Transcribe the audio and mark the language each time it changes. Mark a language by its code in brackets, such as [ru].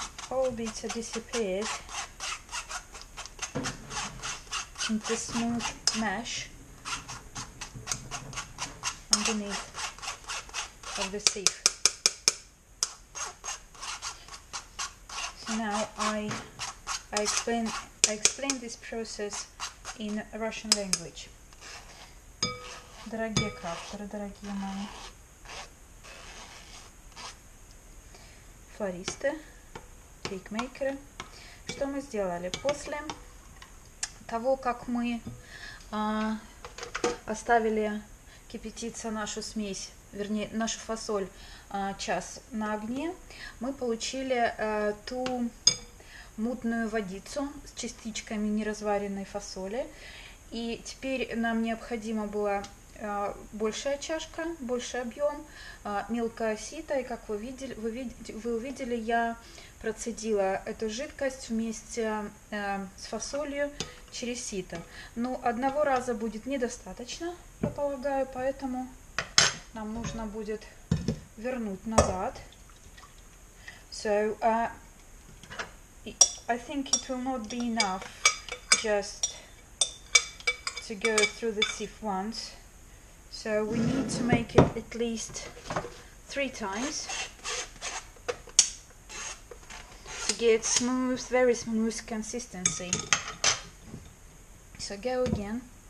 [en] All bits are disappeared into smooth mesh underneath of the sieve. Now I explain this process in Russian language. [ru] Дорогие крафтеры, дорогие мои флористы, кейкмейкеры, что мы сделали? После того, как мы оставили кипятиться нашу смесь, вернее, нашу фасоль час на огне, мы получили ту мутную водицу с частичками неразваренной фасоли. И теперь нам необходима была большая чашка, больше объем, мелкое сито. И как вы увидели, я процедила эту жидкость вместе с фасолью через сито. Но одного раза будет недостаточно, я полагаю, поэтому нам нужно будет вернуть назад. [en] So, I think it will not be enough just to go through the sieve once. So we need to make it at least three times to get smooth, very smooth consistency. So go again.